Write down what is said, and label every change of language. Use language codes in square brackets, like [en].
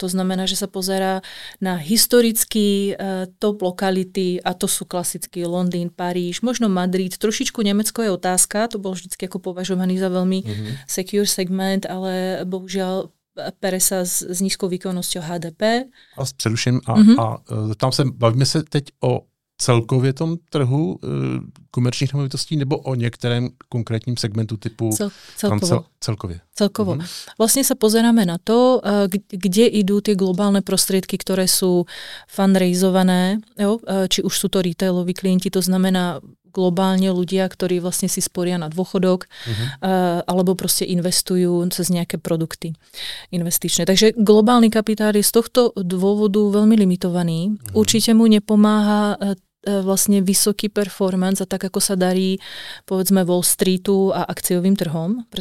[sk] To znamená, že sa pozerá na historický top lokality a to sú klasicky Londýn, Paríž, možno Madrid. Trošičku Nemecko je otázka, to bol vždycky ako považovaný za veľmi secure segment, ale bohužiaľ pere sa s nízkou výkonnosťou HDP. A preruším a tam sa bavíme sa [cs] teď o celkově tom trhu komerčních nemovitostí nebo o některém konkrétním segmentu typu celkově. Vlastně se pozeráme na to, kde idú ty globální prostředky, které jsou fundraisované, jo? Či už jsou to retailoví klienti, [sk] to znamená globálne ľudia, ktorí vlastne si sporia na dôchodok alebo proste investujú cez nejaké produkty investičné. Takže globálny kapitál je z tohto dôvodu veľmi limitovaný. Určite mu nepomáha vlastne vysoký performance a tak, ako sa darí povedzme Wall Streetu a akciovým trhom.